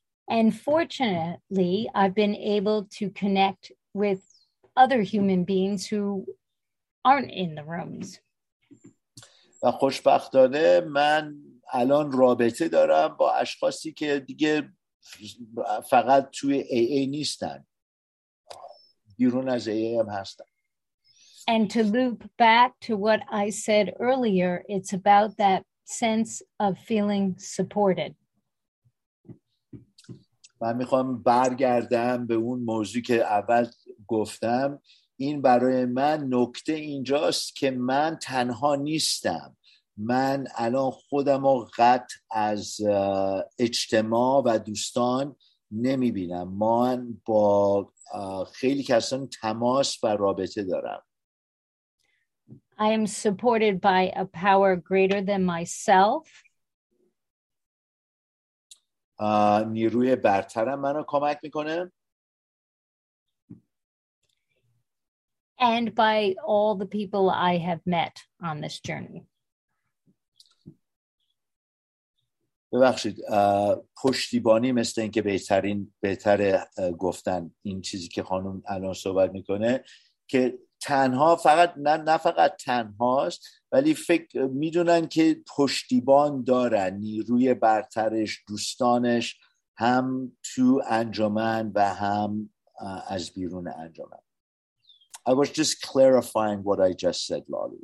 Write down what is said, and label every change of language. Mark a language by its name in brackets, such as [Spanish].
[English] And fortunately, I've been able to connect with other human beings who aren't in the rooms. [Persian] و خوشبختانه من الان رابطه دارم با اشخاصی که دیگه فقط توی AA نیستن. بیرون از AA هم هستن. [English] And to loop back to what I said earlier, it's about that sense of feeling supported. [Persian] من میخوام برگردم به اون موضوعی که اول گفتم. این برای من نکته اینجاست که من تنها نیستم. من الان خودم رو قطع از اجتماع و دوستان نمیبینم. من با خیلی کسان تماس و رابطه دارم. [English] I am supported by a power greater than myself. [Persian] نیروی برترم منو کمک میکنه. [English] And by all the people I have met on this journey. [Persian] ببخشید، پشتیبانی مثل این که بهتره گفتن این چیزی که خانم الان صحبت میکنه که تنها فقط نه فقط تنهاست، ولی فکر میدونن که پشتیبان دارن، نیروی برترش، دوستانش، هم تو انجمن و هم از بیرون انجمن. [English] I was just clarifying what I just said, Lolly.